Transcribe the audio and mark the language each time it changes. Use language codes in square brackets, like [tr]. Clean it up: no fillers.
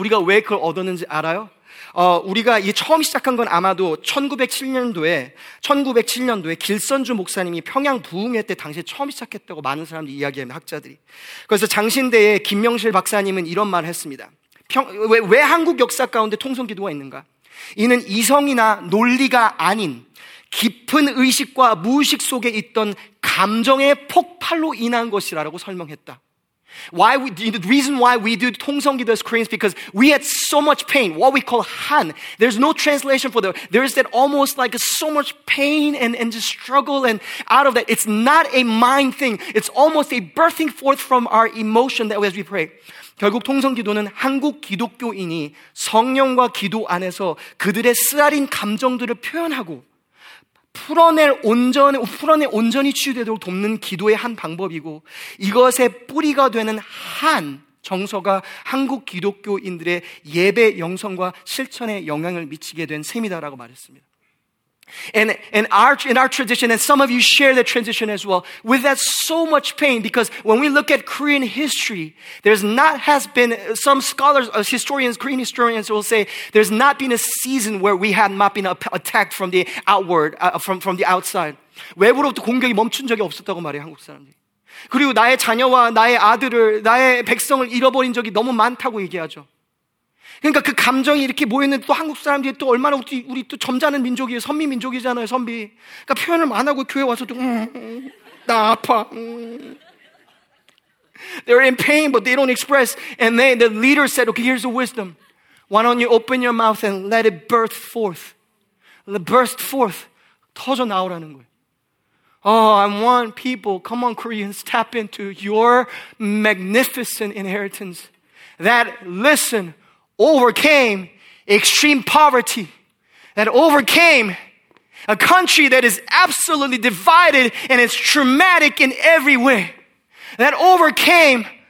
[ko] 우리가 왜 그걸 얻었는지 알아요? 우리가 이 처음 시작한 건 아마도 1907년도에 길선주 목사님이 평양 부흥회 때 당시에 처음 시작했다고 많은 사람들이 이야기합니다, 학자들이. 그래서 장신대에 김명실 박사님은 이런 말을 했습니다. 왜 한국 역사 가운데 통성 기도가 있는가? 이는 이성이나 논리가 아닌 깊은 의식과 무의식 속에 있던 감정의 폭발로 인한 것이라고 설명했다. [en] Why we, the reason why we do 통성기도 as Koreans because we had so much pain, what we call han. There's no translation for that. There's that almost like so much pain and just struggle and out of that. It's not a mind thing. It's almost a birthing forth from our emotion that as we pray. [ko] 결국 통성기도는 한국 기독교인이 성령과 기도 안에서 그들의 쓰라린 감정들을 표현하고 풀어낼 온전히 치유되도록 돕는 기도의 한 방법이고 이것의 뿌리가 되는 한 정서가 한국 기독교인들의 예배 영성과 실천에 영향을 미치게 된 셈이다라고 말했습니다. [en] In our tradition, and some of you share the tradition as well, with that so much pain, because when we look at Korean history, Korean historians will say, there's not been a season where we have not been attacked from the outward, from the outside. [ko] 외부로부터 공격이 멈춘 적이 없었다고 말해요, 한국 사람들이. 그리고 나의 자녀와 나의 아들을, 나의 백성을 잃어버린 적이 너무 많다고 얘기하죠. 그러니까 그 감정이 이렇게 모였는데 또 한국 사람들이 또 얼마나 우리 또 점잖은 민족이에요. 선비 민족이잖아요, 선비. 그러니까 표현을 안 하고 교회 와서도 나 아파. [en] They're in pain but they don't express. And then the leader said, okay, here's the wisdom. Why don't you open your mouth and let it burst forth. Let it burst forth. [ko] 터져 나오라는 거예요. [en] Oh, I want people, come on Koreans, tap into your magnificent inheritance that, listen, overcame extreme poverty, that overcame a country that is absolutely divided and it's traumatic in every way, that overcame